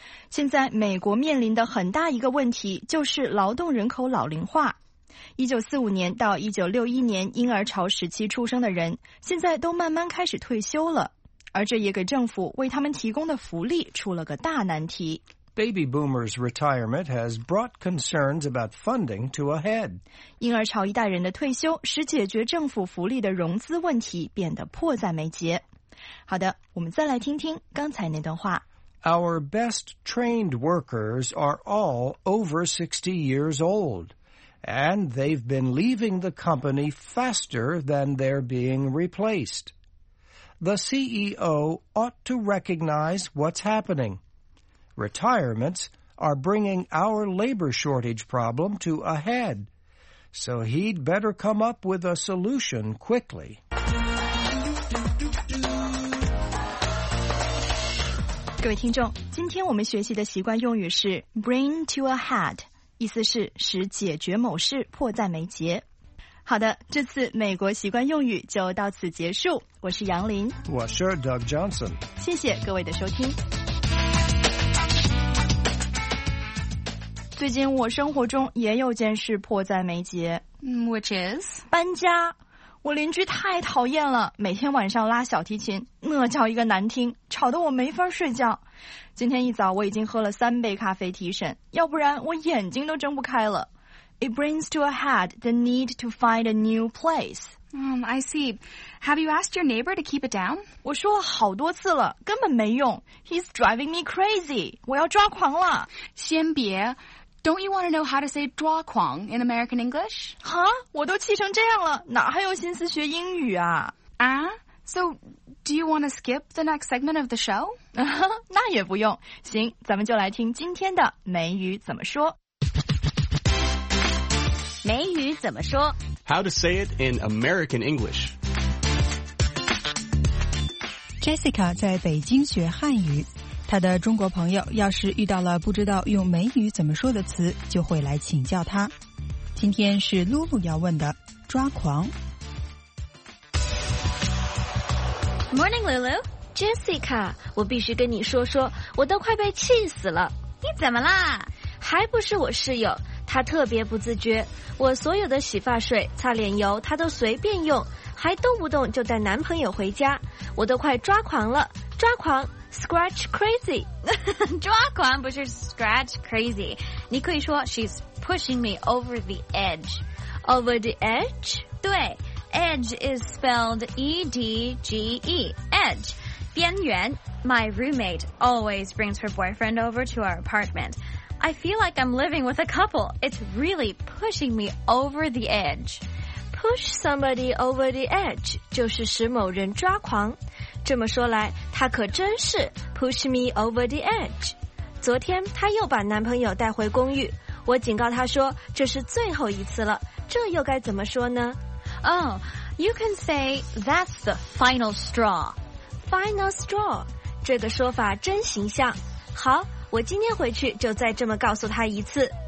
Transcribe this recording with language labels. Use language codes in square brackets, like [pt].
[zh] 现在美国面临的很大一个问题就是劳动人口老龄化。 1945年到1961年婴儿潮时期出生的人，现在都慢慢开始退休了，而这也给政府为他们提供的福利出了个大难题。 [en] Baby boomers' retirement has brought concerns about funding to a head. [zh] 婴儿潮一代人的退休使解决政府福利的融资问题变得迫在眉睫。好的，我们再来听听刚才那段话。 [en] Our best trained workers are all over 60 years old. And they've been leaving the company faster than they're being replaced. The CEO ought to recognize what's happening. Retirements are bringing our labor shortage problem to a head. So he'd better come up with a solution quickly. [zh] 各位听众，今天我们学习的习惯用语是 bring to a head. 意思是使解决某事迫在眉睫。好的，这次美国习惯用语就到此结束。我是杨林，我是 Doug Johnson，谢谢各位的收听。最近我生活中也有件事迫在眉睫。 [en] Which is [zh] 搬家。我邻居太讨厌了，每天晚上拉小提琴，那叫一个难听，吵得我没法睡觉。今天一早我已经喝了3杯咖啡提神，要不然我眼睛都睁不开了。 [en] It brings to a head the need to find a new place. I see. Have you asked your neighbor to keep it down? [zh] 我说了好多次了，根本没用。 [en] He's driving me crazy. [zh] 我要抓狂了。先别。 [en] Don't you want to know how to say 抓狂 in American English? [zh] Huh? 我都气成这样了，哪还有心思学英语啊？啊？ [en] So, do you want to skip the next segment of the show? [zh] 那也不用。行，咱们就来听今天的美语怎么说。美语怎么说？ [en] How to say it in American English. [zh] Jessica 在北京学汉语，她的中国朋友要是遇到了不知道用美语怎么说的词，就会来请教她。今天是露露要问的，抓狂。 [en] Morning, Lulu. [zh] Jessica, 我必须跟你说说，我都快被气死了。你怎么啦？还不是我室友，她特别不自觉。我所有的洗发水、擦脸油，她都随便用，还动不动就带男朋友回家。我都快抓狂了，抓狂 ，scratch crazy。抓狂不是 scratch crazy， 你可以说 [en] she's pushing me over the edge。 Over the edge？ [zh] 对。 [en] Edge is spelled E-D-G-E, edge, 边缘 My roommate always brings her boyfriend over to our apartment. I feel like I'm living with a couple. It's really pushing me over the edge. [zh] Push somebody over the edge 就是使某人抓狂。这么说来，她可真是 [en] push me over the edge. [zh] 昨天她又把男朋友带回公寓，我警告她说这是最后一次了，这又该怎么说呢？ Oh, [en] You can say, that's the final straw. [zh] Final straw, 这个说法真形象。好，我今天回去就再这么告诉他一次。